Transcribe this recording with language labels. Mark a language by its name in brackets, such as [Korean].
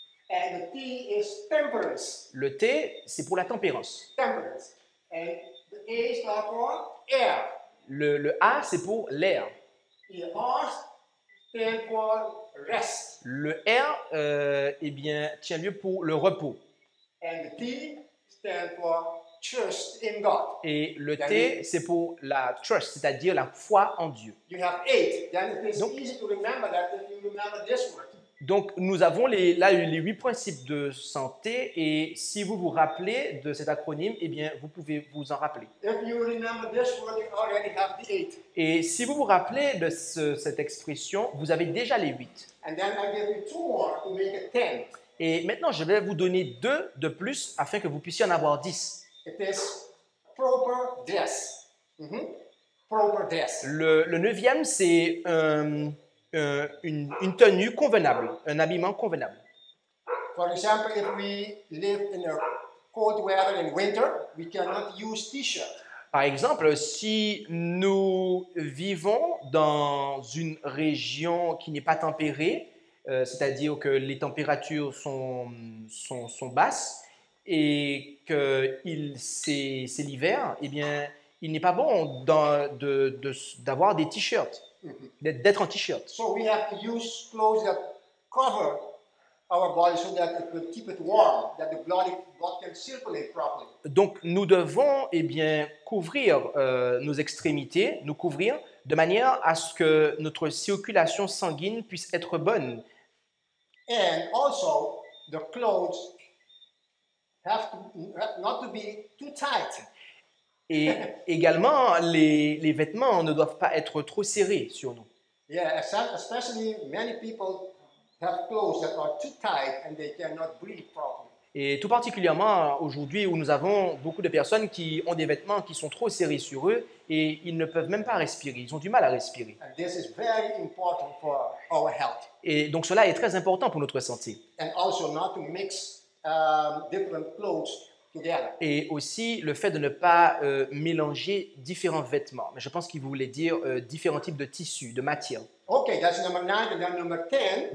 [English] And the T is temperance. [French] Le T, c'est pour la tempérance. [English] Temperance. And the A is for air. [French] Le A, c'est pour l'air. [English] The R stands for rest. [French] Le R, eh bien, tient lieu pour le repos. [English] And the T stands for trust in God. [French] Et le [English] that T, means, [French] c'est pour la trust, c'est-à-dire la foi en Dieu. [English] You have eight. Then it's donc, easy to remember that if you remember this one. [French] Donc, nous avons les huit principes de santé, et si vous vous rappelez de cet acronyme, eh bien, vous pouvez vous en rappeler. [English] If you remember this one, you already have the eight. [French] Et si vous vous rappelez de cette expression, vous avez déjà les huit. [English] And then I'll give you two more to make it ten. [French] Et maintenant, je vais vous donner deux de plus afin que vous puissiez en avoir dix. [English] It is proper death. Mm-hmm. Proper death. [French] Le neuvième, c'est une tenue convenable, un habillement convenable. [English] For example, if we live in a cold weather in winter, we cannot use t-shirt. [French] Par exemple, si nous vivons dans une région qui n'est pas tempérée, c'est-à-dire que les températures sont basses et que c'est l'hiver, eh bien, il n'est pas bon d'avoir des t-shirts. Mm-hmm. D'être en t-shirt. [English] So we have to use clothes that cover our body so that it will keep it warm, that the blood can circulate properly. [French] Donc nous devons eh bien couvrir nos extrémités, nous couvrir de manière à ce que notre circulation sanguine puisse être bonne. [English] And also the clothes have to not to be too tight. [French] Et également, les vêtements ne doivent pas être trop serrés sur nous. [English] Yeah, especially many people have clothes that are too tight and they cannot breathe properly. [French] Et tout particulièrement aujourd'hui où nous avons beaucoup de personnes qui ont des vêtements qui sont trop serrés sur eux et ils ne peuvent même pas respirer, ils ont du mal à respirer. [English] And this is very important for our health. [French] Et donc cela est très important pour notre santé. [English] And also not to mix different clothes. [French] Et aussi le fait de ne pas mélanger différents vêtements. Mais je pense qu'il voulait dire différents types de tissus, de matières. [English] Okay, that's number 9 and then number 10.